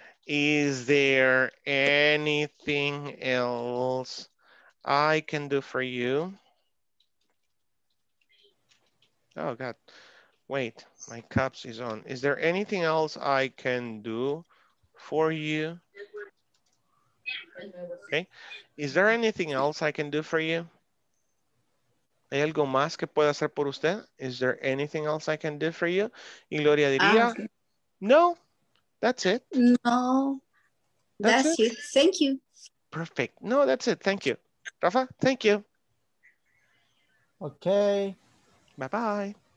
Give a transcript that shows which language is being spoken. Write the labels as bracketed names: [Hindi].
[English] Is there anything else I can do for you? Oh God, wait, my cups is on. Is there anything else I can do for you? Okay, is there anything else I can do for you? [Spanish] ¿Hay algo más que pueda hacer por usted? [English] Is there anything else I can do for you? [Spanish] Y Gloria diría, [English] okay. No, that's it. No, that's it. Thank you. Perfect. No, that's it. Thank you. Rafa, thank you. Okay. Bye-bye.